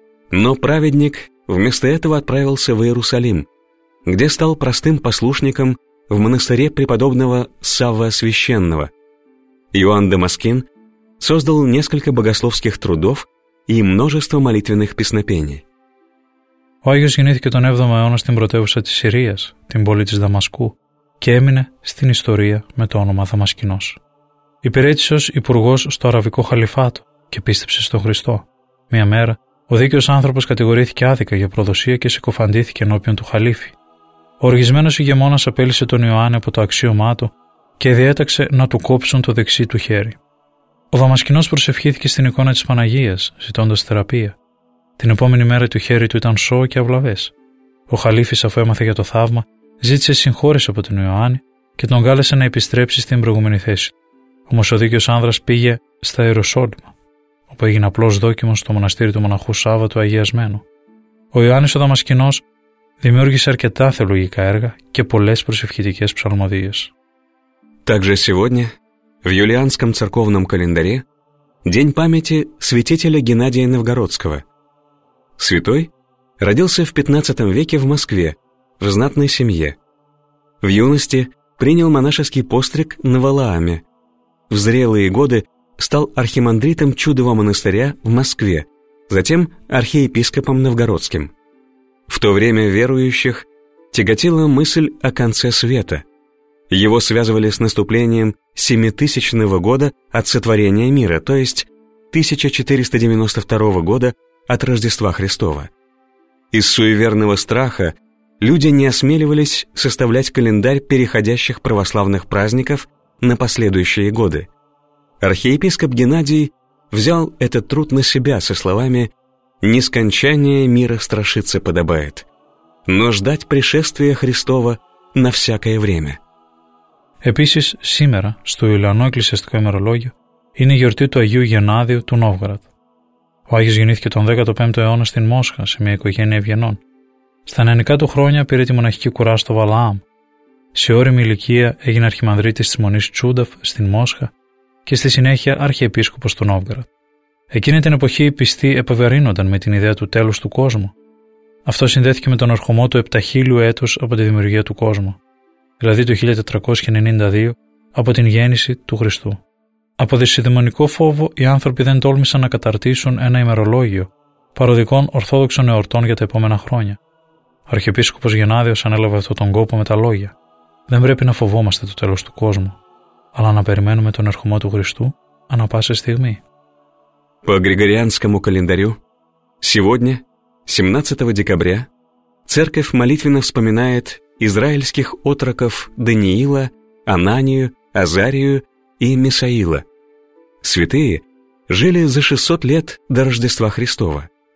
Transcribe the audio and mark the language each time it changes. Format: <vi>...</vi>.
<ru>Но праведник вместо этого отправился в Иерусалим, где стал простым послушником в монастыре преподобного Савва Священного. Иоанн Дамаскин создал несколько богословских трудов и множество молитвенных песнопений.</ru> <el>Ο Άγιος γεννήθηκε τον 7ο αιώνα στην πρωτεύουσα της Συρίας, την πόλη της Δαμασκού, και έμεινε στην ιστορία με το όνομα Δαμασκηνός. Υπηρέτησε ως υπουργός στο αραβικό χαλιφάτο και πίστεψε στον Χριστό. Μια μέρα, ο δίκαιος άνθρωπος κατηγορήθηκε άδικα για προδοσία και συκοφαντήθηκε ενώπιον του χαλίφη. Ο οργισμένος ηγεμόνας απέλυσε τον Ιωάννη από το αξίωμά του και διέταξε να του κόψουν το δεξί του χέρι. Ο Δαμασκηνός προσευχήθηκε στην εικόνα της Παναγίας, ζητώντας θεραπεία. Την επόμενη μέρα το χέρι του ήταν σώο και αυλαβές. Ο χαλίφης, αφού έμαθε για το θαύμα, ζήτησε συγχώρεση από τον Ιωάννη και τον κάλεσε να επιστρέψει στην προηγούμενη θέση. Όμως ο δίκαιος άνδρας πήγε στα Ιεροσόλυμα, όπου έγινε απλώς δόκιμος στο μοναστήρι του μοναχού Σάββα του Αγιασμένου. Ο Ιωάννης ο Δαμασκηνός δημιούργησε αρκετά θεολογικά έργα και πολλές προσευχητικές ψαλμοδίες.</el> <ru>Также сегодня в юлианском церковном календаре день памяти святителя Геннадия Новгородского. Святой родился в 15 веке в Москве, в знатной семье. В юности принял монашеский постриг на Валааме. В зрелые годы стал архимандритом Чудового монастыря в Москве, затем архиепископом новгородским. В то время верующих тяготила мысль о конце света. Его связывали с наступлением 7000-го года от сотворения мира, то есть 1492 года от Рождества Христова. Из суеверного страха люди не осмеливались составлять календарь переходящих православных праздников на последующие годы. Архиепископ Геннадий взял этот труд на себя со словами: «Нескончание мира страшиться подобает, но ждать пришествия Христова на всякое время».</ru> <el>Επίσης, σήμερα, στο Ιουλιανό Εκκλησιαστικό ημερολόγιο, είναι η γιορτή του Αγίου Γεννάδιου του Νόβγαρατ. Ο Άγιος γεννήθηκε τον 15ο αιώνα στην Μόσχα, σε μια οικογένεια ευγενών. Στα νεανικά του χρόνια πήρε τη μοναχική κουρά στο Βαλάμ. Σε όριμη ηλικία έγινε αρχιμανδρίτης της μονής Τσούνταφ στην Μόσχα και στη συνέχεια αρχιεπίσκοπος του Νόβγαρατ. Εκείνη την εποχή οι πιστοί επευαρύνονταν με την ιδέα του τέλους του κόσμου. Αυτό συνδέθηκε με τον ερχομό του 7000 έτους από τη δημιουργία του κόσμου, δηλαδή το 1492 από την γέννηση του Χριστού. Από δυσιδαιμονικό φόβο, οι άνθρωποι δεν τόλμησαν να καταρτήσουν ένα ημερολόγιο παροδικών Ορθόδοξων εορτών για τα επόμενα χρόνια. Ο αρχιεπίσκοπος Γεννάδιος ανέλαβε αυτόν τον κόπο με τα λόγια: «Δεν πρέπει να φοβόμαστε το τέλος του κόσμου, αλλά να περιμένουμε τον ερχομό του Χριστού ανά πάσα στιγμή».</el> <ru>По Григорианскому календарю, сегодня, 17 декабря, Церковь молитвенно вспоминает израильских отроков Даниила, Ананию, Азарию и Мисаила. Святые жили за 600 лет до Рождества Христова.</ru>